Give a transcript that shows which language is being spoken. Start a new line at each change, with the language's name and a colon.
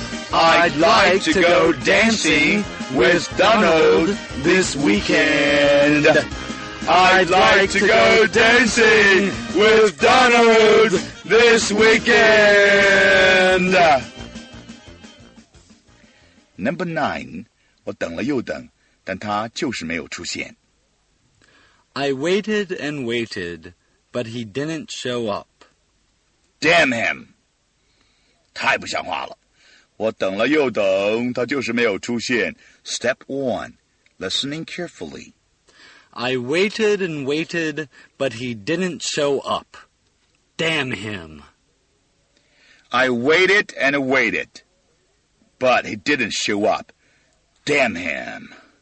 English: I'd like to go dancing with Donald this weekend. I'd like to go dancing with Donald this weekend. Number 9.
Chinese: 我等了又等，但他就是没有出现。
English: I waited and waited, but he didn't show up. Damn him!
Chinese: 太不像话了。我等了又等，他就是没有出现。
English: Step 1. Listening carefully. I waited and waited, but he didn't show up. Damn him! I waited and waited, but he didn't show up. Damn him!